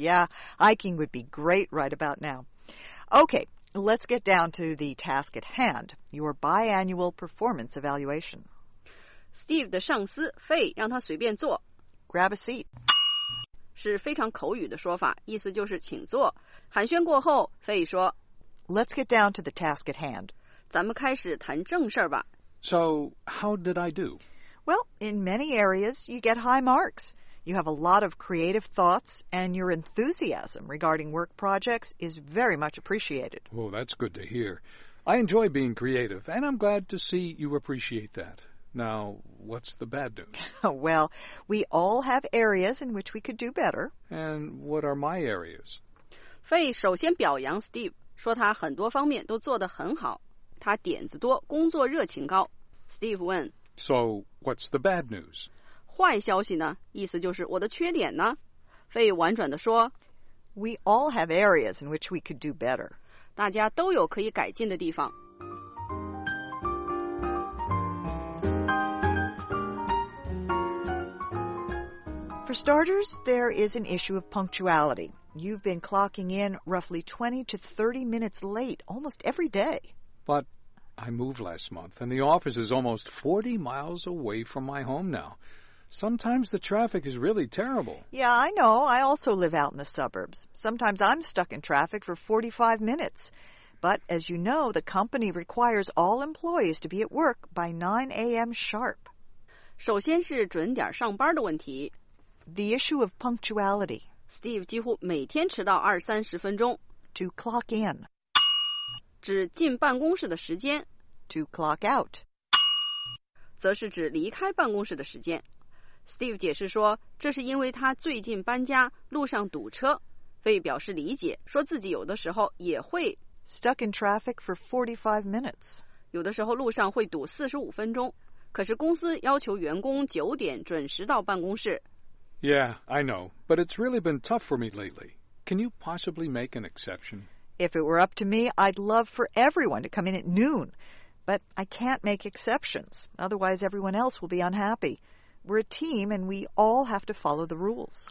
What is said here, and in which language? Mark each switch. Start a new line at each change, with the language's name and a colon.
English: Yeah, hiking would be great right about now. Okay, let's get down to the task at hand, your biannual performance evaluation.
Chinese: Steve 的上司费让他随便坐。
English: Grab a seat.
Chinese: 是非常口语的说法，意思就是请坐。寒暄过后，费说
English: Let's get down to the task at hand.
Chinese: 咱们开始谈正事儿吧。
English: So, how did I do? Well, in many areas, you get high marks. You have a lot of creative thoughts, and your enthusiasm regarding work projects is very much appreciated. Oh, that's good to hear. I enjoy being creative, and I'm glad to see you appreciate that. Now, what's the bad news? Well, we all have areas in which we could do better. And what are my areas?
Chinese: 费首先表扬 Steve, 说他很多方面都做得很好。他点子多，工作热情高。Steve 问
English: So, what's the bad news?
Chinese: 坏消息呢？意思就是我的缺点呢？费婉转地说
English: We all have areas in which we could do better.
Chinese: 大家都有可以改进的地方。
English: For starters, there is an issue of punctuality. You've been clocking in roughly 20 to 30 minutes late almost every day. But I moved last month, and the office is almost 40 miles away from my home now. Sometimes the traffic is really terrible. Yeah, I know. I also live out in the suburbs. Sometimes I'm stuck in traffic for 45 minutes. But as you know, the company requires all employees to be at work by 9 a.m. sharp.
Chinese: 首先是准点上班的问题。
English: The issue of punctuality.
Chinese: Steve 几乎每天迟到二三十分钟。
English: To clock in.
Chinese: 指进办公室的时间。
English: To clock out.
Chinese: 则是指离开办公室的时间。Steve 解释说，这是因为他最近搬家，路上堵车。费表示理解，说自己有的时候也会
English: stuck in traffic for 45 minutes.
Chinese: 有的时候路上会堵45分钟。可是公司要求员工九点准时到办公室。
English: Yeah, I know, but it's really been tough for me lately. Can you possibly make an exception? If it were up to me, I'd love for everyone to come in at noon. But I can't make exceptions, otherwise everyone else will be unhappy. We're a team, and we all have to follow the rules.